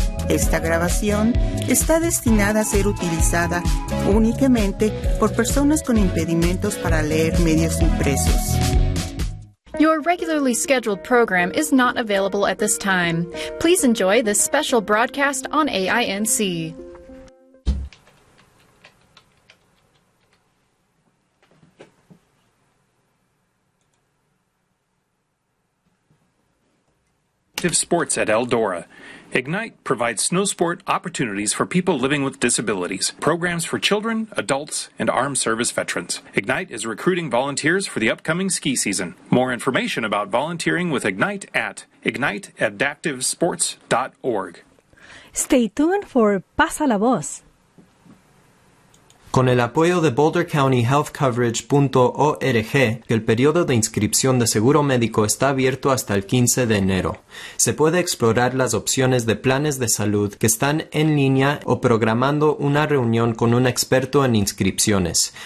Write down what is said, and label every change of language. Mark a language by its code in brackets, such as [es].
[es] Esta grabación está destinada a ser utilizada únicamente por personas con impedimentos para leer medios impresos. [en] Your regularly scheduled program is not available at this time. Please enjoy this special broadcast on AINC. Sports at Eldora. Ignite provides snow sport opportunities for people living with disabilities, programs for children, adults, and armed service veterans. Ignite is recruiting volunteers for the upcoming ski season. More information about volunteering with Ignite at igniteadaptivesports.org. Stay tuned for Pasa la Voz. [es] Con el apoyo de BoulderCountyHealthCoverage.org, el periodo de inscripción de seguro médico está abierto hasta el 15 de enero. Se puede explorar las opciones de planes de salud que están en línea o programando una reunión con un experto en inscripciones.